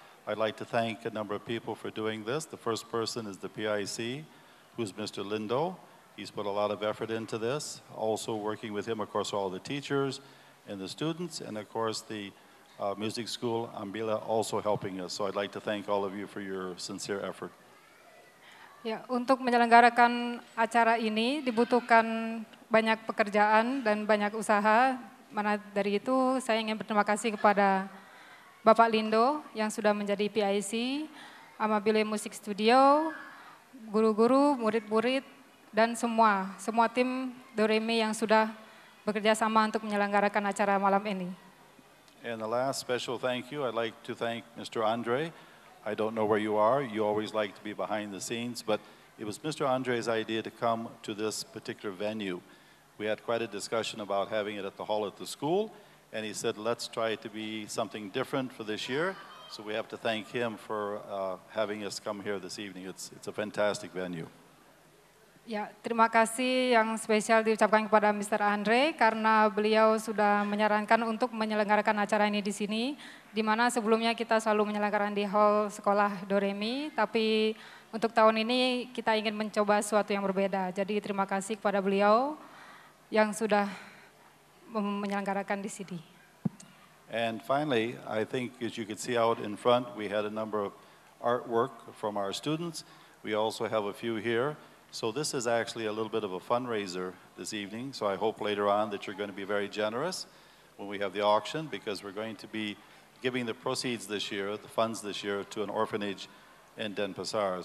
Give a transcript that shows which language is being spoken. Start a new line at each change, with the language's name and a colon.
English: I'd like to thank a number of people for doing this. The first person is the PIC, who's Mr. Lindo. He's put a lot of effort into this. Also working with him, of course, all the teachers and the students, and of course the music school, Ambila, also helping us. So I'd like to thank all of you for your sincere effort.
Indonesian: Ya, untuk menyelenggarakan acara ini dibutuhkan banyak pekerjaan dan banyak usaha. Mana dari itu, saya ingin berterima kasih kepada Bapak Lindo yang sudah menjadi PIC, Amabile Music Studio, guru-guru, murid-murid, dan semua tim Doremi yang sudah bekerja sama untuk menyelenggarakan acara malam ini.
English: And the last special thank you, I'd like to thank Mr. Andre. I don't know where you are. You always like to be behind the scenes, but it was Mr. Andre's idea to come to this particular venue. We had quite a discussion about having it at the hall at the school, and he said, let's try to be something different for this year. So we have to thank him for having us come here this evening. It's a fantastic venue.
Indonesian: Ya, terima kasih yang spesial diucapkan kepada Mr. Andre karena beliau sudah menyarankan untuk menyelenggarakan acara ini di sini, di mana sebelumnya kita selalu menyelenggarakan di hall sekolah Doremi, tapi untuk tahun ini kita ingin mencoba sesuatu yang berbeda. Jadi terima kasih kepada beliau yang sudah menyelenggarakan di sini.
English: And finally, I think as you could see out in front, we had a number of artwork from our students. We also have a few here. So this is actually a little bit of a fundraiser this evening, so I hope later on that you're going to be very generous when we have the auction, because we're going to be giving the proceeds this year, the funds this year, to an orphanage in Denpasar.